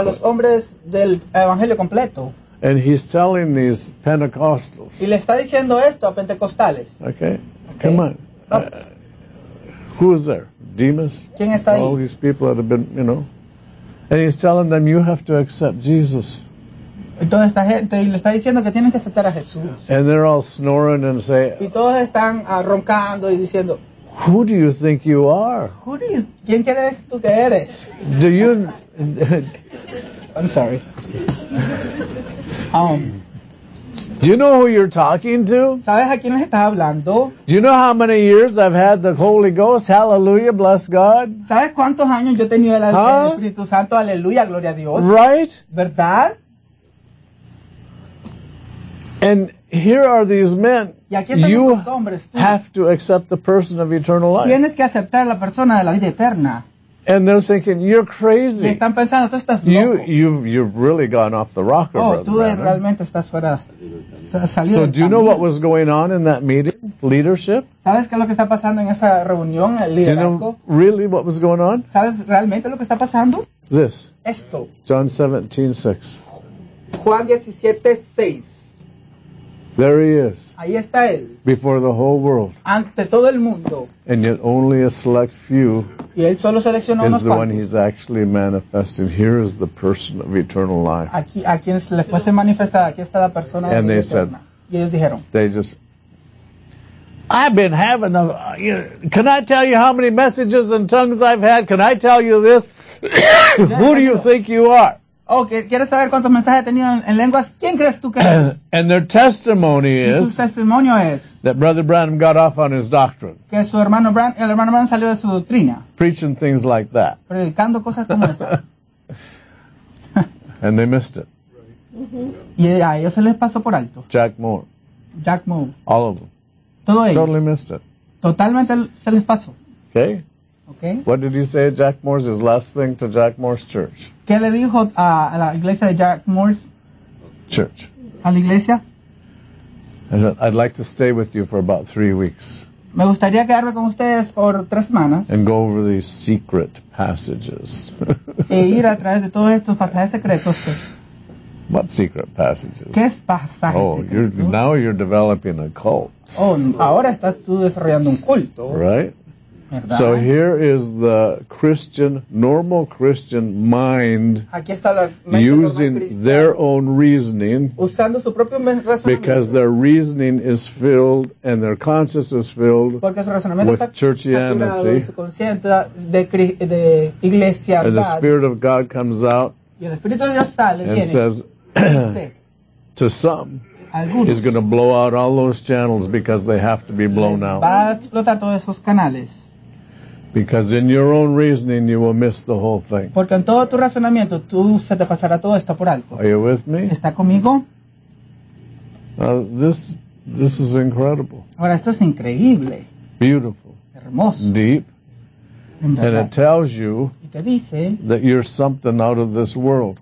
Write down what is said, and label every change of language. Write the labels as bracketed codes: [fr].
[es] A los hombres del evangelio completo. [en] And he's telling these Pentecostals. [es] Y le está diciendo esto a pentecostales. [en] Okay. Okay. Come on. Who is there? Demas? [es] ¿Quién está ahí? [en] All these people that have been, you know. And he's telling them, you have to accept Jesus. [es] Toda esta gente y le está diciendo que tienen que aceptar a Jesús. [en] And they're all snoring and say. [es] Y todos están roncando y diciendo. [en] Who do you think you are? Who do you? [es] ¿Quién crees tú que eres? [en] Do you? I'm sorry. Do you know who you're talking to? [es] ¿Sabes a quién les estás hablando? [en] Do you know how many years I've had the Holy Ghost? Hallelujah, bless God. [es] ¿Sabes cuántos años yo he tenido el Espíritu Santo? Aleluya, gloria a Dios. [en] Right? [es] ¿Verdad? [en] And here are these men. [es] Y aquí están [en] you [es] estos hombres, tú. [en] Have to accept the person of eternal life. [es] Tienes que aceptar la persona de la vida eterna. [en] And they're thinking, you're crazy. [es] Y están pensando, tú estás loco. [en] You've really gone off the rocker, oh, [es] Tú Brandon. Realmente estás fuera. [en] So do you know what was going on in that meeting? Leadership? [es] ¿Sabes qué es lo que está pasando en esa reunión, el liderazgo? [en] Do you know really what was going on? [es] ¿Sabes realmente lo que está pasando? [en] This. [es] Esto. [en] John 17, 6. [es] Juan 17, 6. [en] There he is. [es] Ahí está él. [en] Before the whole world. [es] Ante todo el mundo. [en] And yet only a select few. [es] Y él solo seleccionó [en] is [es] unos [en] the [es] cuantos. [en] One he's actually manifested. Here is the person of eternal life. [es] Aquí, a quien le fuese manifestada, aquí está la persona [en] and [es] de eterna. [en] Said, [es] y ellos dijeron. [en] They just, I've been having the, can I tell you how many messages and tongues I've had? Can I tell you this? Who do you think you are? [es] Oh, ¿quieres saber cuántos mensajes he tenido en lenguas? ¿Quién crees tú que es? [en] And their testimony is, [es] su testimonio es, [en] that Brother Branham got off on his doctrine. [es] Que su hermano Branham, el hermano Branham salió de su doctrina. [en] Preaching things like that. [es] Predicando cosas como esas. [en] And they missed it. [es] Y a ellos se les pasó por alto. [en] Jack Moore. All of them. [es] Todo ellos. [en] Totally missed it. [es] Totalmente se les pasó. [en] Okay. Okay. What did he say Jack Moore's his last thing to Jack Moore's church? [es] ¿Qué le dijo a la iglesia de Jack Moore's [en] church? [es] A la iglesia. [en] I said, I'd like to stay with you for about 3 weeks. [es] Me gustaría quedarme con ustedes por 3 semanas. [en] And go over these secret passages. [es] E ir a través de todos estos pasajes secretos. [en] What secret passages? [es] ¿Qué es pasajes secretos? [en] Oh, now you're developing a cult. [es] Oh, ahora estás tú desarrollando un culto. [en] Right? [es] ¿Verdad? [en] So here is the Christian, normal Christian mind [es] aquí está la mente [en] using their own reasoning, [es] usando su propio razonamiento, [en] because their reasoning is filled and their conscience is filled, [es] porque su razonamiento [en] with [es] está [en] churchianity, [es] su consciente de iglesia, [en] and the Spirit of God comes out [es] y el Espíritu de Dios sale, [en] and [es] viene, [en] says to some, [es] algunos, [en] he's going to blow out all those channels because they have to be blown out. [es] Va a explotar todos esos canales. [en] Because in your own reasoning, you will miss the whole thing. [es] Porque en todo tu razonamiento, tú se te pasará todo esto por alto. [en] Are you with me? [es] ¿Está conmigo? [en] This is incredible. [es] Ahora, esto es increíble. [en] Beautiful. [es] Hermoso. [en] Deep. And it tells you [es] te dice [en] that you're something out of this world.